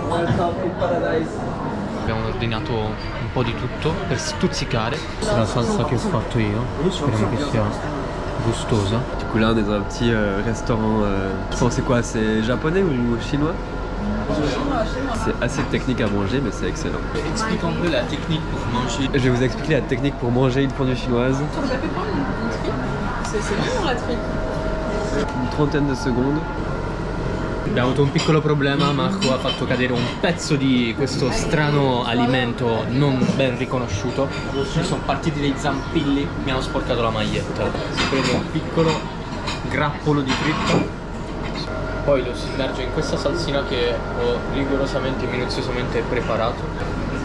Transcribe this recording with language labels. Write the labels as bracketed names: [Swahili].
[Italian] Abbiamo ordinato un po' di tutto per stuzzicare. La salsa che ho fatto io, speriamo che sia gustosa. [French] Du coup là on est dans un petit restaurant, je pense c'est quoi, c'est japonais ou chinois? C'est assez technique à manger, mais c'est excellent. Explique un peu la technique pour manger. Je vais vous expliquer la technique pour manger une fondue chinoise. C'est bon, la une trentaine de secondes. [Italian] Abbiamo avuto un piccolo problema, Marco ha fatto cadere un pezzo di questo strano alimento non ben riconosciuto. Ci sono partiti dei zampilli, mi hanno sporcato la maglietta. Si prende un piccolo grappolo di fritto, poi lo si immerge in questa salsina che ho rigorosamente e minuziosamente preparato.